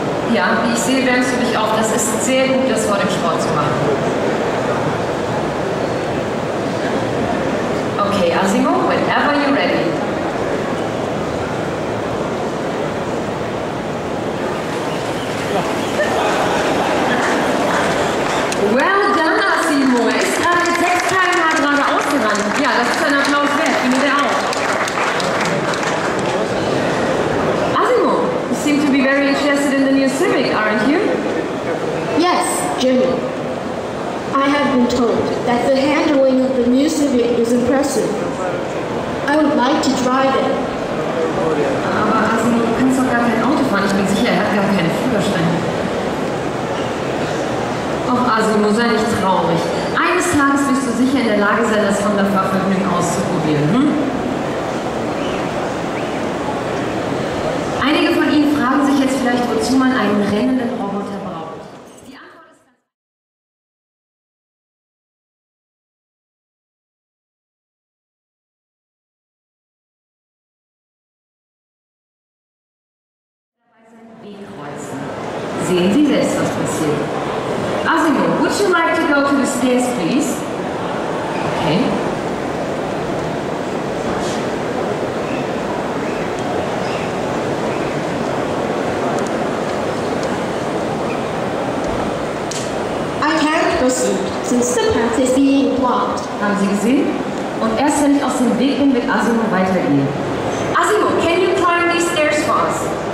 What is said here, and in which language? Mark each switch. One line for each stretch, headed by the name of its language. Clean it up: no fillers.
German: Ja, wie ich sehe, wärmst du dich auf. Das ist sehr gut, das vor dem Sport zu machen.
English: Okay, Asimo, whenever you're ready. Well done, Asimo.
German: Er ist gerade 6 Teile gerade ausgerannt. Ja, das ist ein Applaus wert. Ich nehme auf.
English: Asimo, you seem to be very interested in the new Civic, aren't you? Yes, Jimmy. I have been told that the handling of the new Civic is impressive. I would like to drive it.
German: Aber Asimo, du kannst doch gar kein Auto fahren. Ich bin sicher, er hat gar keinen Führerschein. Och, Asimo, sei nicht traurig. Eines Tages wirst du sicher in der Lage sein, das von der Fahrvergnügen auszuprobieren, hm? Einige von Ihnen fragen sich jetzt vielleicht, wozu man einen rennenden Roboter braucht. Die Antwort ist ganz einfach. Dabei sein Weg kreuzen. Sehen Sie selbst, was passiert.
English: Asimo, would you like to go to the stairs, please? Okay. I can't proceed, since the path is being blocked.
German: Haben Sie gesehen? Und erst wenn ich aus dem Weg bin, wird Asimo weitergehen.
English: Asimo, can you climb these stairs for us?